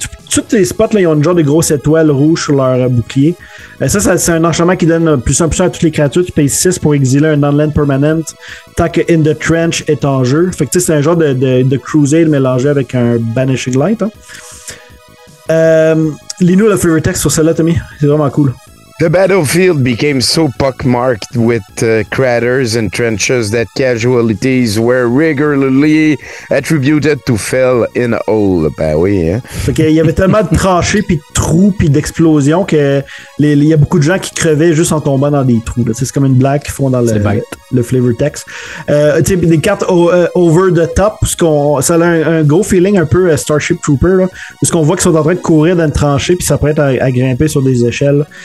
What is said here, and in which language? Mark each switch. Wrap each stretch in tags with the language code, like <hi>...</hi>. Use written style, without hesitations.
<fr>Tous les spots, là, ils ont une genre de grosse étoile rouge sur leur bouclier. Ça, c'est un enchantement qui donne plus un à toutes les créatures. Tu payes 6 pour exiler un non-land permanent tant que In the Trench est en jeu. Fait que tu sais, c'est un genre de Crusade mélangé avec un Banishing Light. Hein. Lis-nous le favorite text sur celle-là, Tommy. C'est vraiment cool.</fr> <en>The battlefield became so pockmarked with craters and trenches that casualties were regularly attributed to fell in a hole.</en> <fr>Ben oui, hein. Fait qu'il y avait tellement de tranchées puis de trous puis d'explosions que il y a beaucoup de gens qui crevaient juste en tombant dans des trous. Là. C'est comme une blague qu'ils font dans le flavor text. Tu sais, des cartes</fr> <en>over the top,</en> <fr>ça a un gros feeling un peu Starship Trooper, parce qu'on voit qu'ils sont en train de courir dans une tranchée puis ça prête à grimper sur des échelles.</fr>